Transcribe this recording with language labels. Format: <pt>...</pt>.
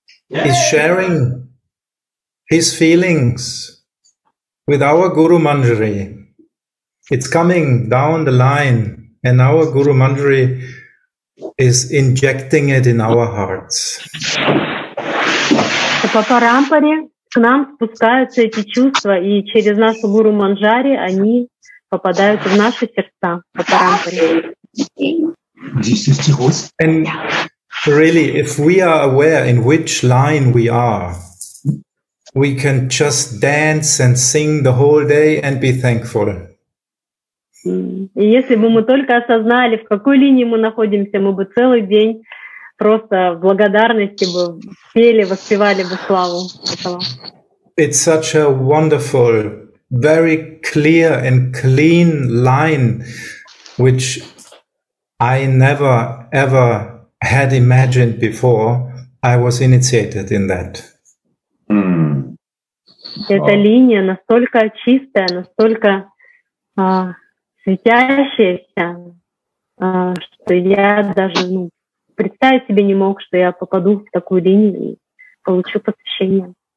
<en>is sharing his feelings with our Guru Manjari. It's coming down the line, and our Guru Manjari is injecting it in our hearts.</en> <ru>По парампаре к нам спускаются эти чувства, и через нашу Гуру Манджари они попадают в наши сердца. По парампаре.</ru> <en>And really, if we are aware in which line we are, we can just dance and sing the whole day and be thankful.</en> <ru>И если бы мы только осознали, в какой линии мы находимся, мы бы целый день просто в благодарности бы пели, воспевали бы славу этого.</ru> <en>It's such a wonderful, very clear and clean line, which I never ever had imagined before I was initiated in that.</en> <ru>Эта линия настолько чистая, настолько светящаяся, что я даже представить себе не мог, что я попаду в такую линию и получу посвящение.</ru>